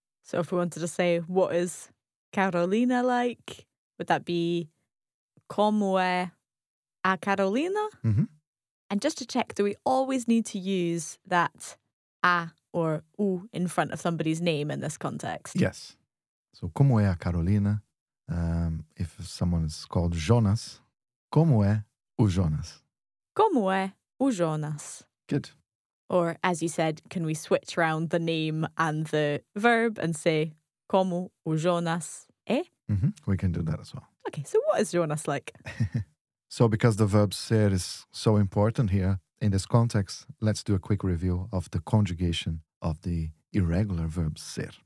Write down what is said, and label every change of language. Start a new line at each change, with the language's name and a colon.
English: if we wanted to say, what is Carolina like? Would that be,
Portuguese: como é a Carolina? Mm-hmm.
English: And just to check, do we always need to use that a or u in front of somebody's name in this context? Yes. So,
Portuguese: como é a Carolina?
English: If someone is called Jonas,
Portuguese: como é o Jonas? Como é o Jonas?
English: Good. Or, as you said, can we switch around the name and the verb and say,
Portuguese: como o Jonas é?
English: Mm-hmm. We can do that as well. Okay, so what is Jonas like? So, because the verb ser is so important here in this context, let's do a quick review of the conjugation of the irregular verb ser.